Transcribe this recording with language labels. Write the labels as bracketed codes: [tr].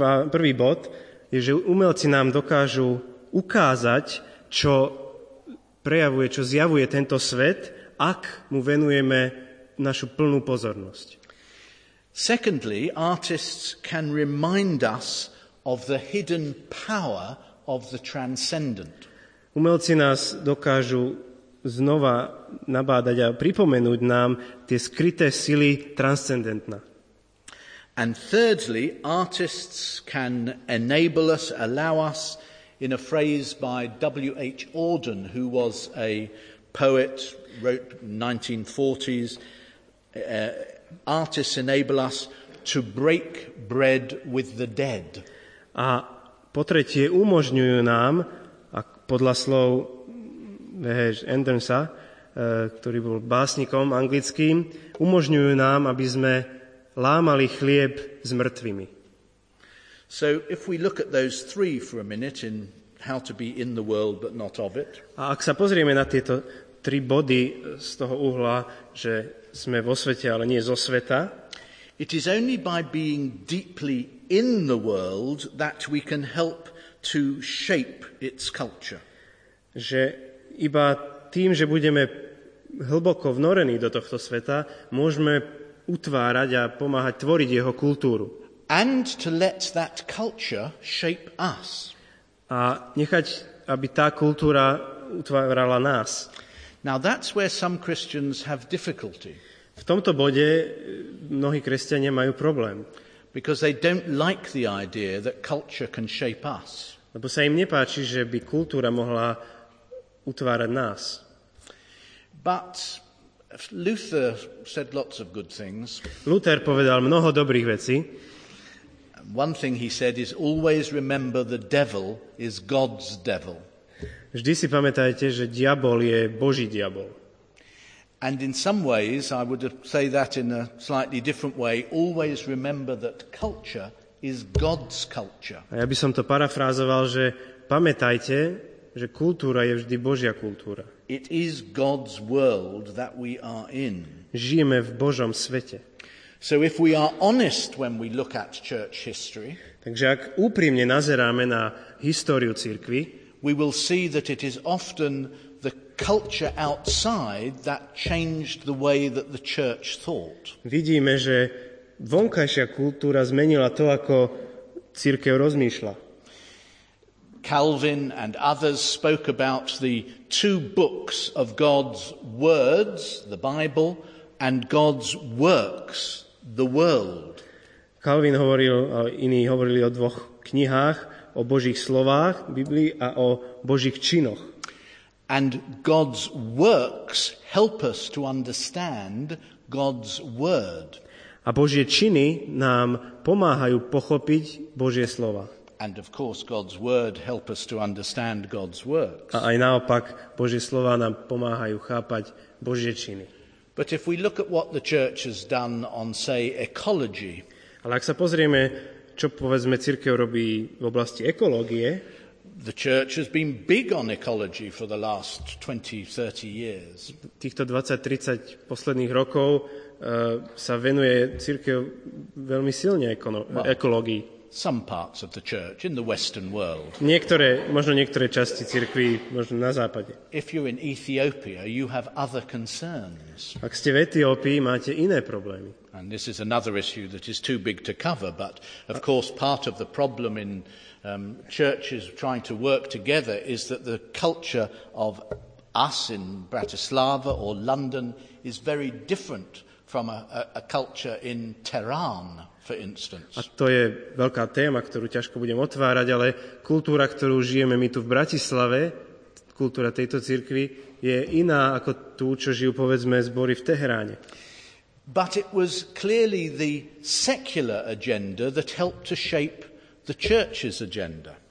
[sk] Prvý bod je, že umelci nám dokážu ukázať, čo prejavuje, čo zjavuje tento svet, ak mu venujeme našu plnú pozornosť. [en] Secondly, artists can remind us of the hidden power of the transcendent. [sk] Umelci nás dokážu znova nabádať a pripomenúť nám tie skryté sily transcendentna. [en] And thirdly, artists can enable us, allow us, in a phrase by W.H. Auden, who was a poet, wrote 1940s, artists enable us to break bread with the dead. [sk] A po tretie umožňujú nám, a podľa slov Andersa, ktorý bol básnikom anglickým, umožňujú nám, aby sme lámali chlieb s mŕtvými. [en] So if we look at those three for a minute in how to be in the world but not of it. [sk] A ak sa pozrieme na tieto tri body z toho uhla, že sme vo svete, ale nie zo sveta. [en] It is only by being deeply in the world that we can help to shape its culture. [sk] Že iba tým, že budeme hlboko vnorení do tohto sveta, môžeme utvárať a pomáhať tvoriť jeho kultúru. [en] And to let that culture shape us. [sk] A nechať, aby tá kultúra utvárala nás. [en] Now that's where some Christians have difficulty. [sk] V tomto bode mnohí kresťania majú problém. [en] Because they don't like the idea that culture can shape us. [sk] Lebo sa im nepáči, že by kultúra mohla utvárať nás. [en] But Luther said lots of good things. [sk] Luther povedal mnoho dobrých vecí. [en] One thing he said is always remember the devil is God's devil. [sk] Vždy si pamätajte, že diabol je Boží diabol. [en] And in some ways I would say that in a slightly different way, always remember that culture is God's culture. [sk] A ja by som to parafrázoval, že pamätajte, že kultúra je vždy Božia kultúra. [en] It is God's world that we are in. [sk] Žijeme v Božom svete. [en] So if we are honest when we look at church history, [sk] takže ak úprimne nazeráme na históriu cirkvi, [en] we will see that it is often the culture outside that changed the way that the church thought. [sk] Vidíme, že vonkajšia kultúra zmenila to, ako cirkev rozmýšľa. [en] Calvin and others spoke about the two books of God's words, the Bible, and God's works, the world. [sk] Calvin hovoril, iní hovorili o dvoch knihách, o Božích slovách, Biblii, a o Božích činoch. [en] And God's works help us to understand God's word. [sk] A Božie činy nám pomáhajú pochopiť Božie slova. [en] And of course God's word help us to understand God's works. [sk] A aj naopak, Božie slova nám pomáhajú chápať Božie činy. [en] But if we look at what the church has done on say ecology. [sk] Ale ak sa pozrieme, čo povedzme cirkev robí v oblasti ekológie, [en] the church has been big on ecology for the last 20-30 years. [sk] Týchto 20-30 posledných rokov sa venuje cirkev veľmi silne ekológii. [en] Some parts of the church in the Western world. [sk] Niektoré, možno niektoré časti cirkvi, možno na západe. [en] If you're in Ethiopia, you have other concerns. [sk] Ak ste v Etiópii, máte iné problémy. [en] And this is another issue that is too big to cover, but of course part of the problem in churches trying to work together is that the culture of us in Bratislava or London is very different from a culture in Tehran. [sk] A to je veľká téma, ktorú ťažko budem otvárať, ale kultúra, ktorú žijeme my tu v Bratislave, kultúra tejto cirkvi, je iná ako tú, čo žijú, povedzme, zbory v Tehráne. [en] But it was clearly the secular agenda that helped to shape the church's agenda.